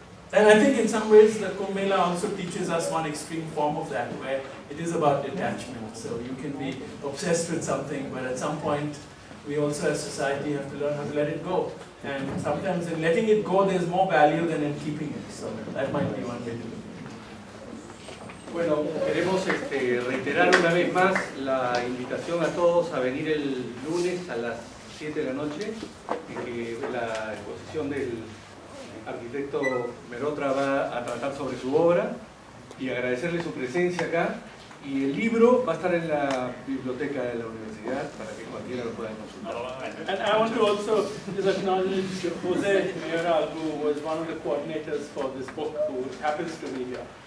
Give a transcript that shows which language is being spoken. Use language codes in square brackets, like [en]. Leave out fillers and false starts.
[en] And I think in some ways the Kumbh Mela also teaches us one extreme form of that, where it is about detachment. So you can be obsessed with something, but at some point we also as society have to learn how to let it go. And sometimes in letting it go, there's more value than in keeping it. So that might be one way to do it. [es] Bueno, queremos reiterar una vez más la invitación a todos a venir el lunes a las 7 de la noche, que la exposición del arquitecto Mehrotra va a tratar sobre su obra, y agradecerle su presencia acá. Y el libro va a estar en la biblioteca de la universidad para que cualquiera lo pueda consultar. [en] And I want to also just acknowledge Jose Mehrotra, who was one of the coordinators for this book, who happens to be here.